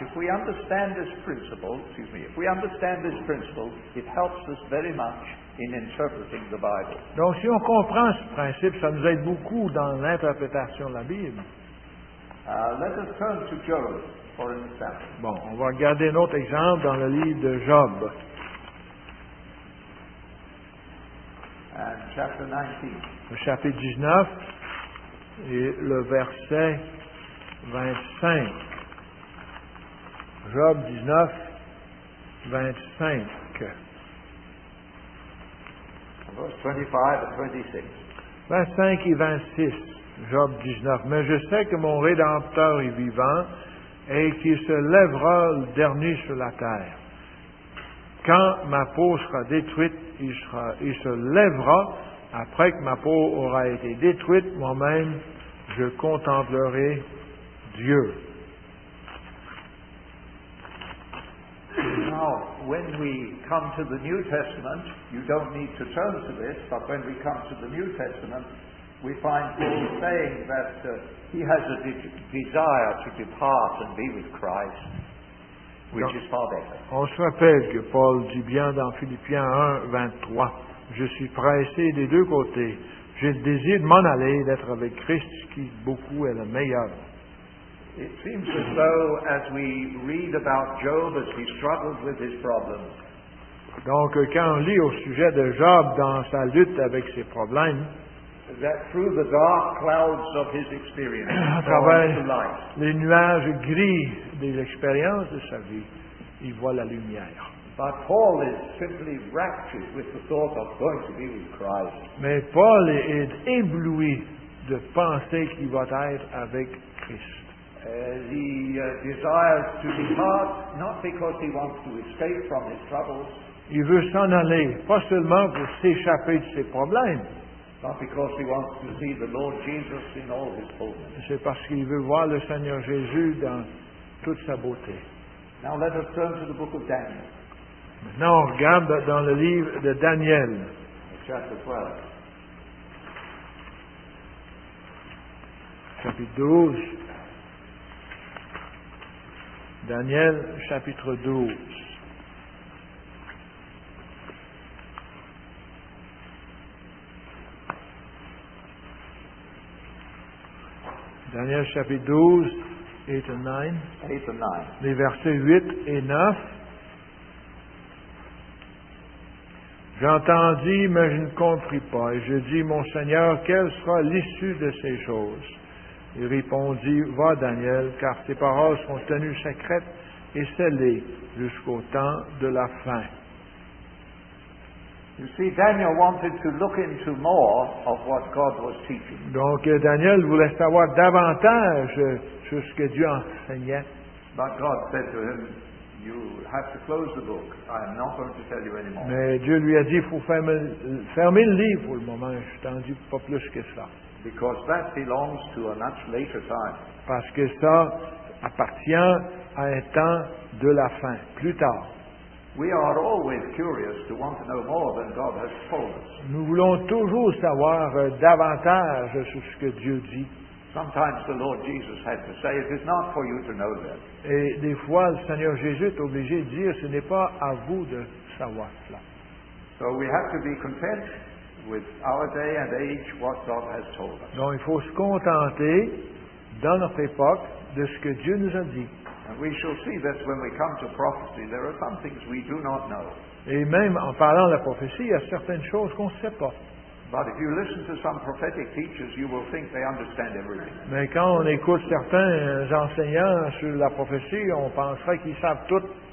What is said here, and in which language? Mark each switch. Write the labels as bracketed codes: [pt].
[en] If we understand this principle, it helps us very much in interpreting the Bible. [fr] Donc si on comprend ce principe, ça nous aide beaucoup dans l'interprétation de la Bible. [en] Let us turn to Job for an example. [fr] Bon, on va regarder un autre exemple dans le livre de Job. [en] And chapter 19. [fr] Le chapitre 19 et le verset 25. [en] Job 19, 25. [fr] 25 et 26. Job 19. Mais je sais que mon Rédempteur est vivant et qu'il se lèvera le dernier sur la terre. Quand ma peau sera détruite, il se lèvera. Après que ma peau aura été détruite, moi-même, je contemplerai Dieu. [en] Now, when we come to the New Testament, you don't need to turn to this, but when we come to the New Testament, we find Paul saying that he has a desire to depart and be with Christ, which is far better. [fr] On se rappelle que Paul dit bien dans Philippiens 1, 23, je suis pressé des deux côtés. J'ai le désir de m'en aller, d'être avec Christ, qui beaucoup est le meilleur. [en] It seems as though, as we read about Job, as he struggled with his problems. [fr] Donc, quand on lit au sujet de Job dans sa lutte avec ses problèmes, [en] that through the dark clouds of his experience, [fr] à travers les nuages gris des expériences de sa vie, il voit la lumière. [en] But Paul is simply raptured with the thought of going to be with Christ. [fr] Mais Paul est ébloui de penser qu'il va être avec Christ. [en] He desires to depart, not because he wants to escape from his troubles. [fr] Il veut s'en aller, pas seulement pour s'échapper de ses problèmes. [en] Not because he wants to see the Lord Jesus in all his fullness. [fr] C'est parce qu'il veut voir le Seigneur Jésus dans toute sa beauté. [en] Now let us turn to the book of Daniel. [fr] Maintenant, on regarde dans le livre de Daniel. [en] Chapter 12. [fr] Chapitre 12. Daniel, chapitre 12. Daniel, chapitre 12, 8 et 9. [en] 8 and 9. [fr] Les versets 8 et 9. J'entendis, mais je ne compris pas. Et je dis, mon Seigneur, quelle sera l'issue de ces choses? Il répondit, « Va, Daniel, car tes paroles sont tenues secrètes et scellées jusqu'au temps de la fin. » [en] Daniel wanted to look into more of what God was teaching. [fr] Donc, Daniel voulait savoir davantage sur ce que Dieu enseignait. [en] But God said to him, you have to close the book. I am not going to tell you anymore. [fr] Mais Dieu lui a dit, « Faut fermer le livre pour le moment. » Je t'en dis pas plus que ça. [en] Because that belongs to a much later time. [fr] Parce que ça appartient à un temps de la fin, plus tard. [en] We are always curious to want to know more than God has told us. [fr] Nous voulons toujours savoir davantage sur ce que Dieu dit. [en] Sometimes the Lord Jesus had to say, it is not for you to know that. [fr] Et des fois, le Seigneur Jésus est obligé de dire, ce n'est pas à vous de savoir cela. [en] So we have to be content with our day and age, what God has told us. [fr] Donc, il faut se contenter dans notre époque de ce que Dieu nous a dit. [en] And we shall see that when we come to prophecy, there are some things we do not know. [fr] Et même en parlant de la prophétie, il y a certaines choses qu'on ne sait pas. [en] But if you listen to some prophetic teachers, you will think they understand everything. [fr] Mais quand on écoute certains enseignants sur la prophétie, on penserait qu'ils savent tout.